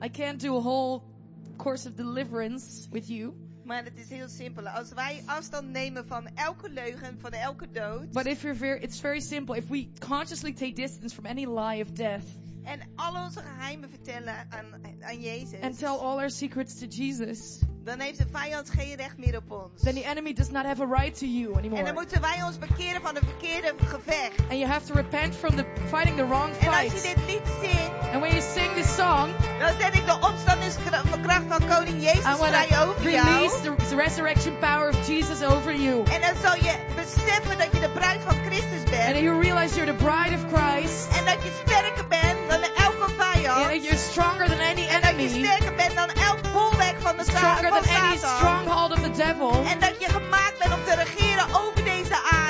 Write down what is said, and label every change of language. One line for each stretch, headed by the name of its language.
English: I can't do a whole course of deliverance with you.
Dutch: Maar het is heel simpel. Als wij afstand nemen van elke leugen, van elke dood.
English: But if you're it's very simple. If we consciously take distance from any lie of death.
Dutch: En al onze geheimen vertellen aan Jezus.
English: And tell all our secrets to Jesus.
Dutch: Dan heeft de vijand geen recht meer op ons.
English: Then the enemy does not have a right to you anymore.
Dutch: En dan moeten wij ons bekeren van het verkeerde gevecht.
English: And you have to repent from the fighting the wrong fight.
Dutch: En als je dit lied zingt.
English: And when you sing this song.
Dutch: Dan zet ik de opstandingskracht van koning Jezus vrij over jou.
English: And when I release the resurrection power of Jesus over you.
Dutch: En dan zal je beseffen dat je de bruid van Christus bent.
English: And you realize you're the bride of Christ.
Dutch: En dat je sterker bent dan elke vijand.
English: And you're stronger than any enemy.
Dutch: En dat je sterker bent dan elk bolwerk van de
English: stronger
Dutch: van
English: than
Dutch: Satan.
English: Any stronghold of the devil.
Dutch: En dat je gemaakt bent om te regeren over deze aarde.